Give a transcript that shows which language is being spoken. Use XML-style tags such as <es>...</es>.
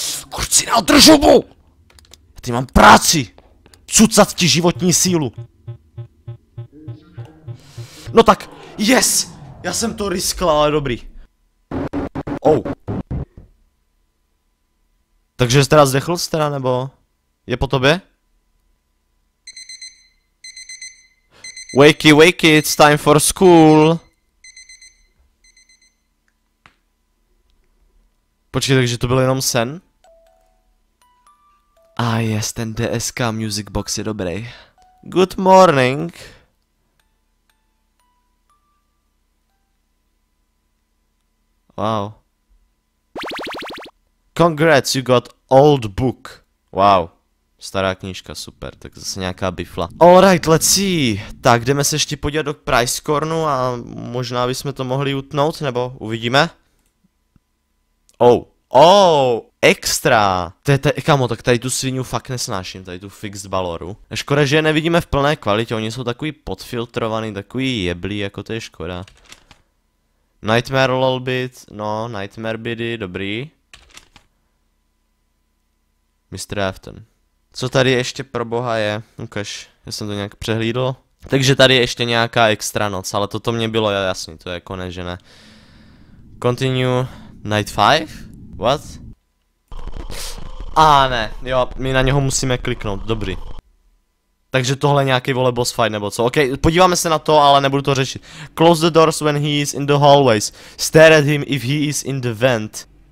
<cs>Kurcina, držu mu. Já ty mám práci. Cucat ti životní sílu. No tak, yes. Já jsem to riskl, ale dobrý. Oh. Takže jsi teda zdechl, nebo... Je po tobě?</cs> <en>Wakey, it's time for school!</en> <cs>Počkej, takže to byl jenom sen? Yes, ten DSK music box je dobrý.</cs> <en>Good morning! Wow. Congrats, you got old book. Wow.</en> <cs>Stará knížka, super, tak zase nějaká bifla.</cs> <en>Alright, let's see.</en> <cs>Tak jdeme se ještě podívat do Price Cornu a možná bychom to mohli utnout, nebo uvidíme. Oh, oh, extra. Kamo, tak tady tu svinu fakt nesnáším, tady tu fixed baloru. Škoda, že je nevidíme v plné kvalitě, oni jsou takový podfiltrovaný, takový jeblý, jako to je škoda. Nightmare lolbit, no, nightmare bidy, dobrý. Mr. Afton. Co tady ještě pro boha je? Ukaž, já jsem to nějak přehlídl. Takže tady je ještě nějaká extra noc, ale toto mě bylo jasný, to je konec, že ne.</cs> <en>Continue. Night 5? What?</en> <cs>A ne, jo, my na něho musíme kliknout, dobrý. Takže tohle je nějaký vole boss fight nebo co? Ok, podíváme se na to, ale nebudu to řešit.</cs> <en>Close the doors when he is in the hallways. Stare at him if he is in the vent.</en>